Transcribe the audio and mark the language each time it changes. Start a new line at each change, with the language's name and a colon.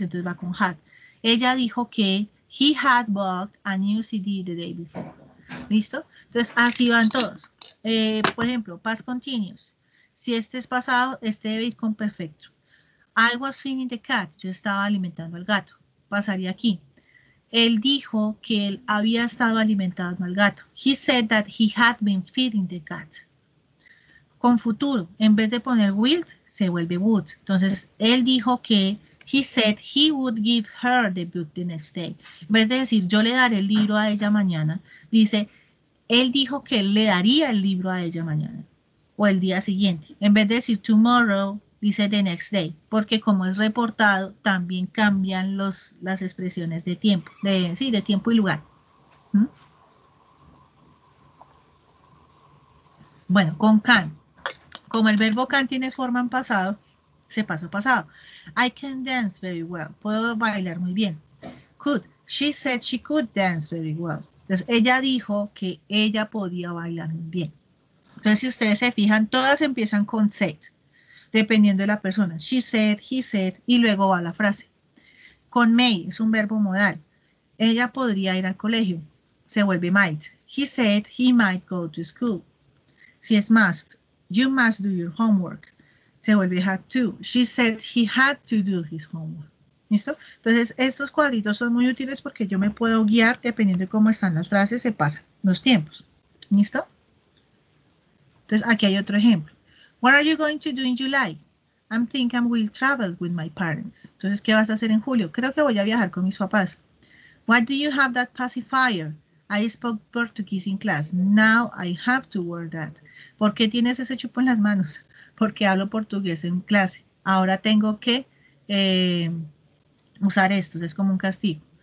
Spanish: Entonces va con had. Ella dijo que
English: he had bought a new CD the day before.
Spanish: ¿Listo? Entonces así van todos. Por ejemplo, past continuous. Si este es pasado, este debe ir con perfecto.
English: I was feeding the cat.
Spanish: Yo estaba alimentando al gato. Pasaría aquí. Él dijo que él había estado alimentando al gato.
English: He said that he had been feeding the cat.
Spanish: Con futuro, en vez de poner will, se vuelve would. Entonces, él dijo que
English: he said he would give her the book the next day.
Spanish: En vez de decir yo le daré el libro a ella mañana, dice él dijo que él le daría el libro a ella mañana o el día siguiente. En vez de decir tomorrow, dice
English: the next day,
Spanish: porque como es reportado, también cambian las expresiones de tiempo, de tiempo y lugar. Bueno, con can, como el verbo can tiene forma en pasado, se pasa a pasado.
English: I can dance very well,
Spanish: puedo bailar muy bien.
English: Could, she said she could dance very well.
Spanish: Entonces, ella dijo que ella podía bailar muy bien. Entonces, si ustedes se fijan, todas empiezan con said. Dependiendo de la persona.
English: She said, he said,
Spanish: y luego va la frase. Con may, es un verbo modal. Ella podría ir al colegio. Se vuelve might.
English: He said, he might go to school.
Spanish: Si es must,
English: you must do your homework.
Spanish: Se vuelve had to.
English: She said, he had to do his homework.
Spanish: ¿Listo? Entonces, estos cuadritos son muy útiles porque yo me puedo guiar dependiendo de cómo están las frases, se pasan los tiempos. ¿Listo? Entonces, aquí hay otro ejemplo.
English: What are you going to do in July? I'm thinking I will travel with my parents.
Spanish: Entonces, ¿qué vas a hacer en julio? Creo que voy a viajar con mis papás.
English: Why do you have that pacifier? I spoke Portuguese in class. Now I have to wear that.
Spanish: ¿Por qué tienes ese chupo en las manos? Porque hablo portugués en clase. Ahora tengo que usar esto. Es como un castigo.